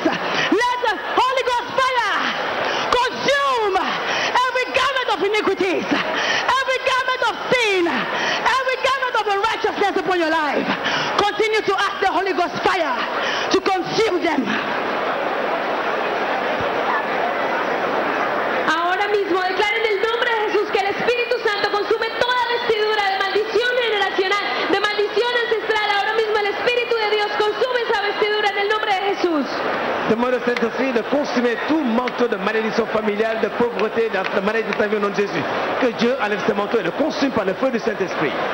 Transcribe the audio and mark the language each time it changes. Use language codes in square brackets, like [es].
[en] Let the Holy Ghost fire consume every garment of iniquities, every garment of sin, every garment of unrighteousness upon your life. Continue to ask the Holy Ghost fire to consume them. [es] Ahora mismo declaren en el nombre de Jesús que el Espíritu Santo consume toda vestidura de maldición generacional, de maldición ancestral. Ahora mismo el Espíritu de Dios consume esa vestidura en el nombre de Jesús. [fr] Demande au Saint-Esprit de consumer tout manteau de malédiction familiale, de pauvreté, de maladie de ta vie au nom de Jésus. Que Dieu enlève ce manteau et le consume par le feu du Saint-Esprit.